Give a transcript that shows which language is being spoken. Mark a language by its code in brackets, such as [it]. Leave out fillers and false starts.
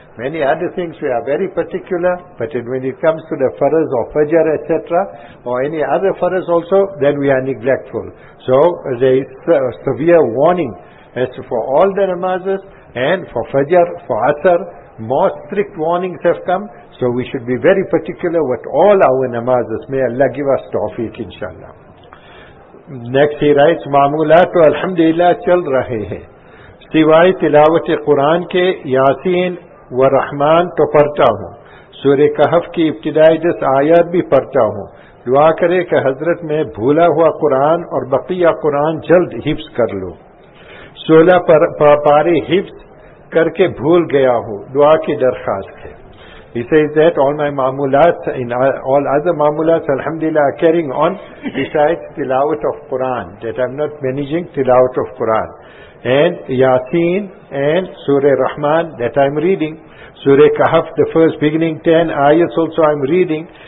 [en] Many other things we are very particular, but when it comes to the faraz or fajr etc, or any other faraz also, then we are neglectful. So there is a severe warning as to for all the namazes, and for fajr, for asr, more strict warnings have come, so we should be very particular with all our namazes. May Allah give us tawfiq, inshallah. Next he writes, [ur] معمولات و الحمدللہ چل رہے ہیں سوائے تلاوت قرآن کے یاسین و رحمان تو پڑھتا ہوں سورہ کہف کی ابتدائی جس آیات بھی پڑھتا ہوں دعا کرے کہ حضرت میں بھولا ہوا قرآن اور بقیہ قرآن جلد حفظ کر لو. 16 پارے حفظ کر کے بھول گیا ہوں, دعا کی درخواست ہے. [en] He says that all my mamulat, in all other mamulat, alhamdulillah, are carrying on besides tilawat of Quran, that I'm not managing tilawat of Quran. And Yasin and Surah Rahman, that I'm reading. Surah Kahf, the first beginning 10 ayahs also I'm reading.